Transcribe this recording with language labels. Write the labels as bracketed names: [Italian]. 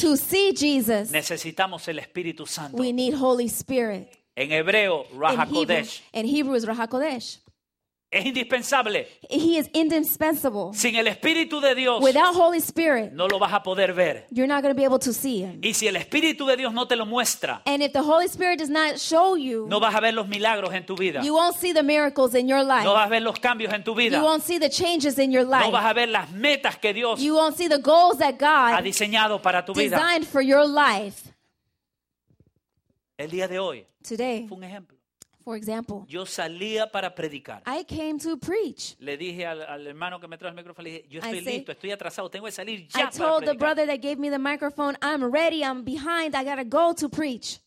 [English] to see Jesus, [Spanish] necesitamos el Espíritu Santo. [English] We need Holy Spirit. [Spanish] En hebreo, Ruach HaKodesh. [English] In Hebrew is Ruach HaKodesh. [Spanish] Es indispensable. [English] He is indispensable. [Spanish] Sin el Espíritu de Dios, [English] without Holy Spirit, [Spanish] no lo vas a poder ver. [English] You're not going to be able to see him. [Spanish] Y si el Espíritu de Dios no te lo muestra, [English] and if the Holy Spirit does not show you, [Spanish] no vas a ver los milagros en tu vida. [English] You won't see the miracles in your life. [Spanish] No vas a ver los cambios en tu vida. [English] You won't see the changes in your life. [Spanish] No vas a ver las metas que Dios, [English] you won't see the goals that God [Spanish] ha diseñado para tu [English] designed [Spanish] vida. [English] Designed for your life. [Spanish] El día de hoy, [English] today, [Spanish] fue un ejemplo. [English] For example, [Spanish] yo salía para predicar. [English] I came to preach. [Spanish] Le dije al hermano que me trajo el micrófono, le dije, yo estoy listo, estoy atrasado, tengo que salir ya para predicar. [English] I told the brother that gave me the microphone, I'm ready, I'm behind, I gotta go to preach.